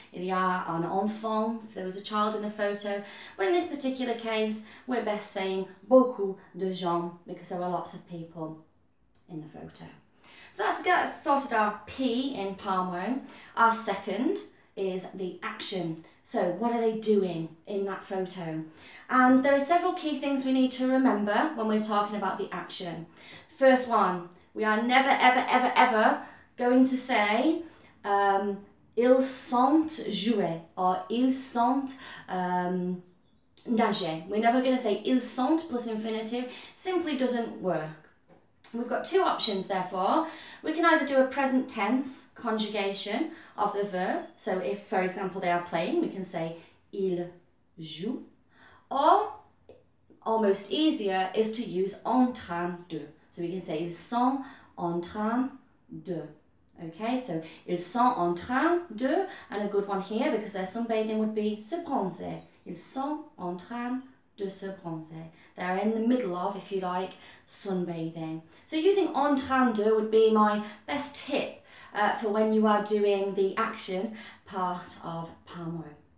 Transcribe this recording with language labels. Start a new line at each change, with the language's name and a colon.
French: Il y a un enfant,
English: if there was a child in the photo. But in this particular case, we're best saying
French: beaucoup de gens,
English: because there were lots of people in the photo. So that's sorted our P in palmarin. Our second is the action. So what are they doing in that photo? And there are several key things we need to remember when we're talking about the action. First one, we are never, ever, ever, ever going to say
French: ils sont jouer
English: or
French: ils sont nager.
English: We're never going to say
French: ils sont
English: plus infinitive. Simply doesn't work. We've got two options, therefore. We can either do a present tense conjugation of the verb. So if, for example, they are playing, we can say
French: il joue.
English: Or, almost easier, is to use
French: en train de.
English: So we can say
French: ils sont en train de.
English: Okay, so
French: ils sont en train de.
English: And a good one here, because they're sunbathing, would be
French: se bronzer. Ils sont en train de se bronzer.
English: They're in the middle of, if you like, sunbathing. So using
French: en train de
English: would be my best tip for when you are doing the action part of palmarin.